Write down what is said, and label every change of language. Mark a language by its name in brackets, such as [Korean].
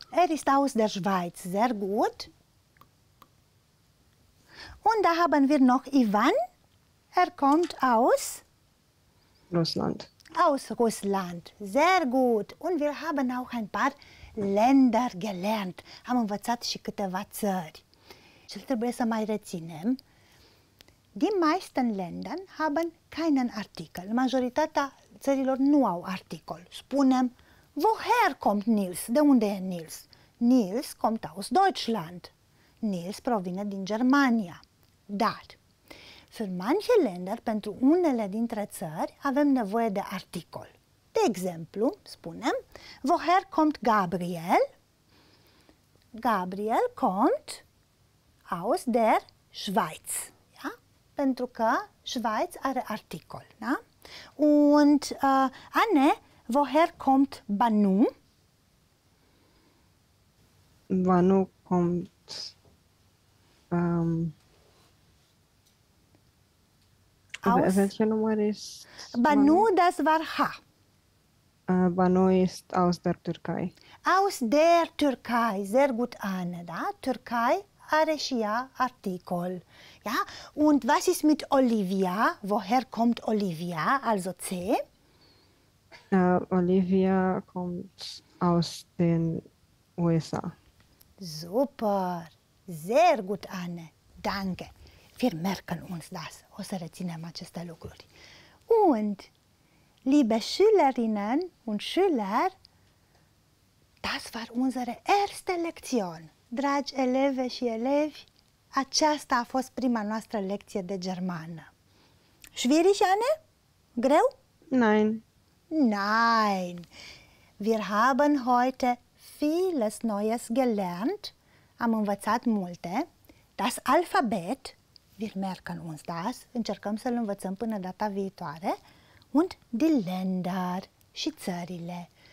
[German] Er ist aus der Schweiz, sehr gut. Und da haben wir noch Ivan. Er kommt aus? Russland. Aus Russland. Sehr gut. Und wir haben auch ein paar Länder gelernt. [Romanian] Am învățat și câteva țări. Și trebuie să mai reținem. [German] Die meisten Länder haben keinen Artikel. [Romanian] Majoritatea țărilor nu au articol. Spunem, [German] woher kommt Nils? [Romanian] De unde e Nils? [German] Nils kommt aus Deutschland. [Romanian] Nils provine din Germania. Dar, [German] für manche Länder, [Romanian] pentru unele dintre țări, avem nevoie de articol. De exemplu, spunem, [German] woher kommt Gabriel? Gabriel kommt aus der Schweiz. Ja? [Romanian] Pentru că Schweiz are articol. Da? [German] Und, Anne, woher kommt Banu? Banu kommt Aus? Welcher Nummer ist man? Nu, das war H. Banu ist aus der Türkei. Aus der Türkei, sehr gut, Anne, da. Türkei, Areshia, Artikel. Ja, und was ist mit Olivia? Woher kommt Olivia? Also C. Olivia kommt aus den USA. Super, sehr gut, Anne. Danke. Wir merken uns das. [Romanian] O să reținem aceste lucruri. [German] Und, liebe Schülerinnen und Schüler, das war unsere erste Lektion. [Romanian] Dragi eleve și elevi, aceasta a fost prima noastră lecție de germană. [German] Schwierig, Anne? [Romanian] Greu? [German] Nein. Nein. Wir haben heute vieles Neues gelernt. [Romanian] Am învățat multe. [German] Das Alphabet. Wir merken uns das. [Romanian] Încercăm să-l învățăm până data viitoare. [German] Und die Länder [Romanian] și țările.